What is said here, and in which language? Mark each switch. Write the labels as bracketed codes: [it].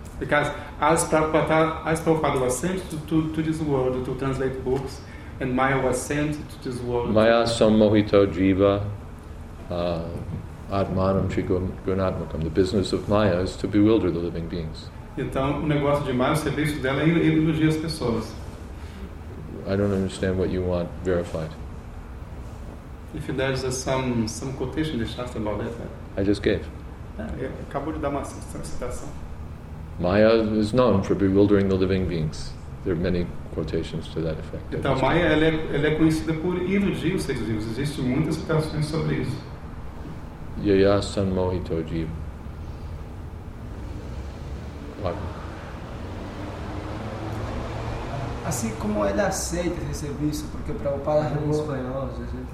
[en] Because as Prabhupada was sent to this world to translate books, and Maya was sent to this world. [sa] Maya sammohito jiva atmanam trigunatmakam. [en] The business of Maya is to bewilder the living beings. [pt] Então, o negócio de Maya, o serviço dela é iludir as pessoas. [en] I don't understand what you want verified. If there's some quotation in the Shastra about that, right? I just gave. [pt] Acabou de dar uma citação. [en] Maya is known for bewildering the living beings. There are many quotations to that effect. [pt] Então, Maya, ela é conhecida por iludir os seres vivos. Existem muitas citações sobre isso. [sa] Yaya san mohito jiva. [pt] Assim como ela aceita esse serviço, porque para o Prabhupada é muito espanhol, gente.